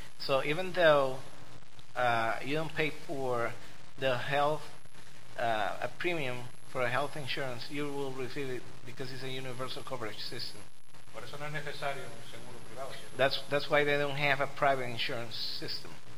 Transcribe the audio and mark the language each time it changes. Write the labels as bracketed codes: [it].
[en] So even though you don't pay for the health a premium for a health insurance, you will receive it because it's a universal coverage system. [es] Por eso no es necesario un seguro privado, ¿cierto? [en] That's why they don't have a private insurance system.